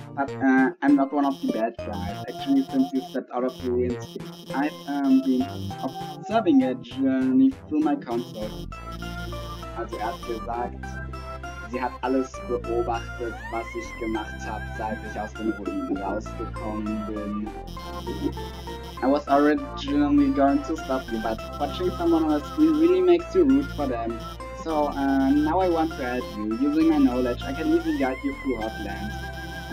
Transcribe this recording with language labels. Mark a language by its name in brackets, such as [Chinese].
[English] But, I'm not one of the bad guys. Actually, since you stepped out of the ruins, I've, been observing a journey through my council. [German] Also, er hat gesagt, sie hat alles beobachtet, was ich gemacht habe, seit ich aus den Ruinen rausgekommen bin. [English] I was originally going to stop you, but watching someone on a screen really makes you root for them. So, now I want to help you. Using my knowledge, I can easily guide you through Hotland.